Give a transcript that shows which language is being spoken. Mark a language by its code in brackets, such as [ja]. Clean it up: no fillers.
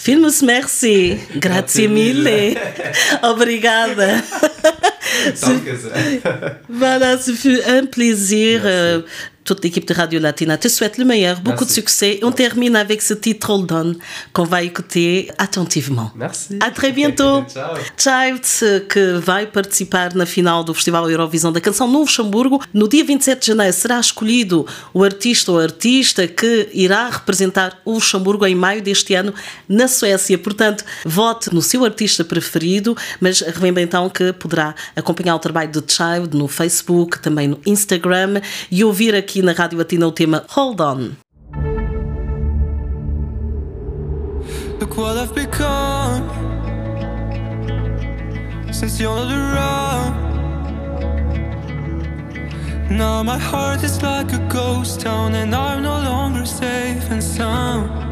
[fr] Filmes, merci. [it] Grazie mille. [pt] Obrigada. [fr] Voilà, ce fut un plaisir. Toute l'équipe de Radio Latina te souhaite le meilleur, beaucoup merci. De succès. On termine avec ce titre Hold On qu'on va écouter attentivement. Merci. À très bientôt. Ciao. [pt] Child, que va participer na finale du Festival Eurovision da Canção no Luxembourgo, no dia 27 de janeiro sera escolhido o artista ou artista que irá representar o Luxembourgo em maio deste ano na Suécia. Portanto, vote no seu artista preferido, mas lembre então que poderá acompanhar o trabalho de Child no Facebook, também no Instagram e ouvir aqui na Rádio Latina o tema Hold On. [en] Look what I've become since you're not around. Now my heart is like a ghost town and I'm no longer safe and sound.